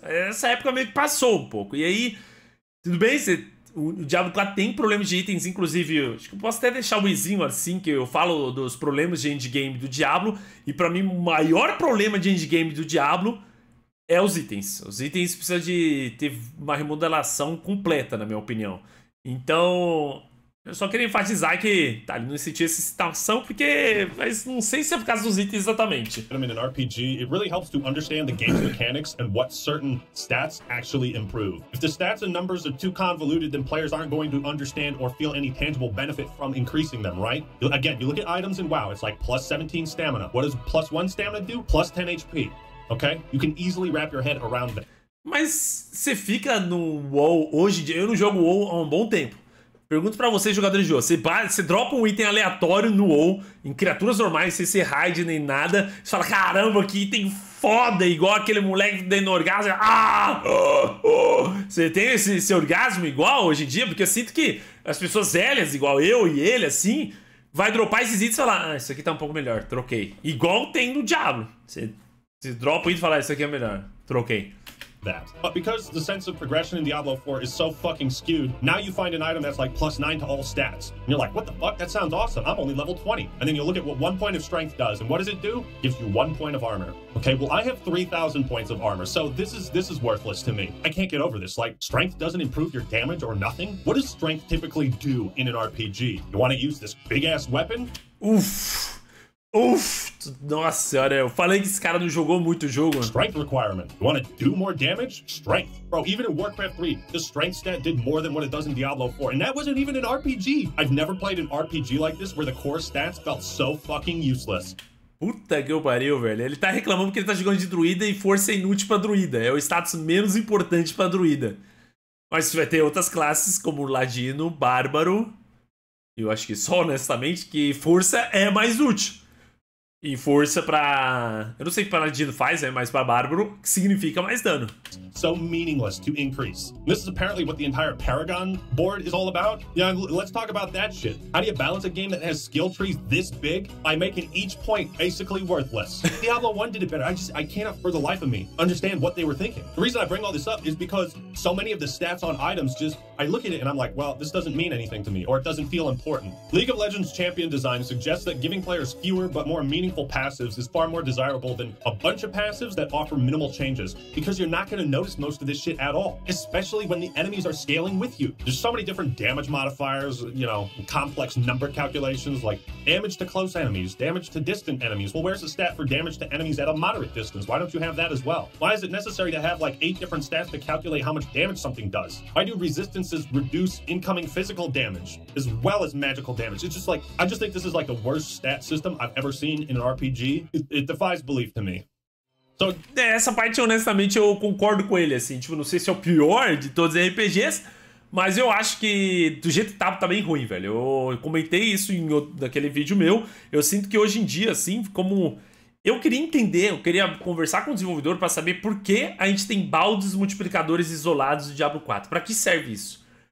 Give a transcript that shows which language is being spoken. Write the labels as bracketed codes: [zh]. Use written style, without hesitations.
[pt] Essa época meio que passou um pouco. E aí, tudo bem, o Diablo 4 tem problemas de itens, inclusive, acho que eu posso até deixar o izinho assim, que eu falo dos problemas de endgame do Diablo, e pra mim o maior problema de endgame do Diablo... É os itens. Os itens precisam de ter uma remodelação completa, na minha opinião. Então, eu só queria enfatizar que, tá, ele não sentiu essa citação porque, mas não sei se é por causa dos itens exatamente. [en] I mean, in RPG, it really helps to understand the game's mechanics and what certain stats actually improve. If the stats and numbers are too convoluted, then players aren't going to understand or feel any tangible benefit from increasing them, right? Again, you look at items in WoW, it's like plus 17 stamina. What does plus 1 stamina do? Plus 10 HP. Okay? You can easily wrap your head around that. [pt] Mas você fica no WoW hoje em dia? Eu não jogo WoW há um bom tempo. Pergunto pra vocês, jogadores de WoW. Você dropa um item aleatório no WoW, em criaturas normais, sem ser raid nem nada. Você fala, caramba, que item foda, igual aquele moleque dando orgasmo. Ah! Você tem esse orgasmo igual hoje em dia? Porque eu sinto que as pessoas velhas, igual eu e ele, assim... Vai dropar esses itens e falar, ah, isso aqui tá um pouco melhor, troquei. Igual tem no Diablo. Você... Se dropa e falar, isso aqui é melhor. Troquei. [en] that. But because the sense of progression in Diablo 4 is so fucking skewed, now you find an item that's like +9 to all stats. And you're like, what the fuck? That sounds awesome. I'm only level 20. And then you look at what 1 point of strength does. And what does it do? Gives you 1 point of armor. Okay, well, I have 3,000 points of armor, so this is worthless to me. I can't get over this. Like, strength doesn't improve your damage or nothing? What does strength typically do in an RPG? You want to use this big-ass weapon? Oof. [pt] Uf, nossa senhora, eu falei que esse cara não jogou muito jogo. [en] Strength requirement. You want to do more damage? Strength. Bro, even in Warcraft 3, the strength stat did more than what it does in Diablo 4. And that wasn't even an RPG. I've never played an RPG like this where the core stats felt so fucking useless. [pt] Puta que pariu, velho. Ele tá reclamando que ele tá jogando de druida e força é inútil pra druida. É o status menos importante pra druida. Mas vai ter outras classes como ladino, bárbaro. Eu acho que só honestamente que força é mais útil. E força pra... Eu não sei o que paladino faz, né? Mas pra bárbaro, que significa mais dano. [en] So meaningless to increase. This is apparently what the entire Paragon board is all about. Yeah, let's talk about that shit. How do you balance a game that has skill trees this big by making each point basically worthless? Diablo 1 did it better. I cannot for the life of me understand what they were thinking. The reason I bring all this up is because so many of the stats on items just... I look at it and I'm like, well, this doesn't mean anything to me, or it doesn't feel important. League of Legends champion design suggests that giving players fewer but more meaningful passives is far more desirable than a bunch of passives that offer minimal changes, because you're not going to notice most of this shit at all, especially when the enemies are scaling with you. There's so many different damage modifiers, you know, complex number calculations, like damage to close enemies, damage to distant enemies. Well, where's the stat for damage to enemies at a moderate distance? Why don't you have that as well? Why is it necessary to have like 8 different stats to calculate how much damage something does? Why do resistances reduce incoming physical damage as well as magical damage? It's just like, I just think this is like the worst stat system I've ever seen in an RPG. It defies belief to me. [pt] So, é, essa parte, honestamente, eu concordo com ele, assim, tipo, não sei se é o pior de todos os RPGs, mas eu acho que, do jeito que tá bem ruim, velho, eu comentei isso em naquele vídeo meu, eu sinto que hoje em dia, assim, como, eu queria entender, eu queria conversar com o desenvolvedor pra saber por que a gente tem baldes multiplicadores isolados do Diablo 4, pra que serve isso?